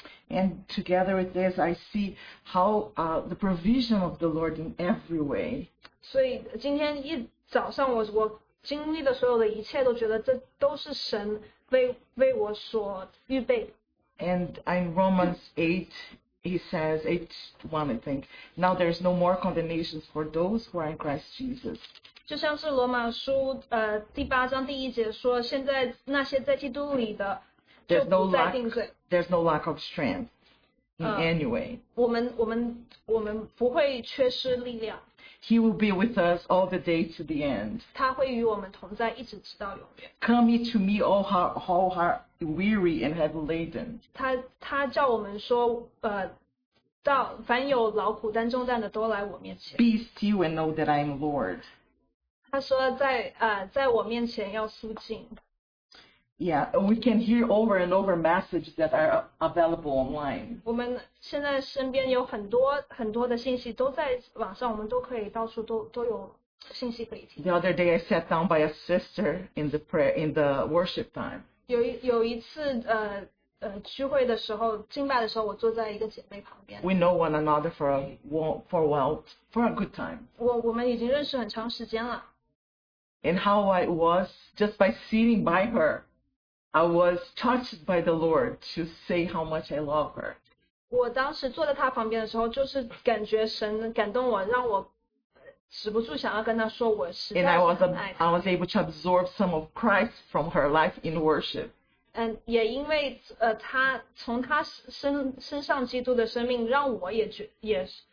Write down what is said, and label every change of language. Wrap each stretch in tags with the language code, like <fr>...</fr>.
<en>And together with this, I see how the provision of the Lord in every way.</en> <zh>所以今天一早上我经历的所有的一切，都觉得这都是神为我所预备。</zh> <en>And in Romans 8. He says, 8:1, I think, now there is no more condemnation for those who are in Christ Jesus.</en> <zh>就像是罗马书第八章第一节说，现在那些在基督里的就不再定罪。</zh> <en>There's no lack of strength in any way.</en> <zh>我们不会缺失力量。</zh> <en>He will be with us all the day to the end.</en> <zh>他会与我们同在，一直直到永远。</zh> <en>Come ye to me, all heart weary and heavy laden.</en> <zh>他叫我们说，到凡有劳苦担重担的都来我面前。</zh> <en>Be still and know that I am Lord.</en> <zh>他说在我面前要肃静。</zh> <en>Yeah, we can hear over and over messages that are available online.</en> <zh>我们现在身边有很多很多的信息都在网上，我们都可以到处都有信息可以听。</zh> <en>The other day, I sat down by a sister in the prayer in the worship time.</en> <zh>有一次聚会的时候，敬拜的时候，我坐在一个姐妹旁边。</zh> <en>We know one another for a good time.</en> <zh>我们已经认识很长时间了。</zh> <en>And how I was just by sitting by her. I was touched by the Lord to say how much I love her.</en> <zh>我当时坐在她旁边的时候，就是感觉神感动我，让我止不住想要跟她说我实在很爱她。</zh> <en>And I was able to absorb some of Christ from her life in worship. And</en> <zh>也因为她从她身上基督的生命，让我也觉也是</zh>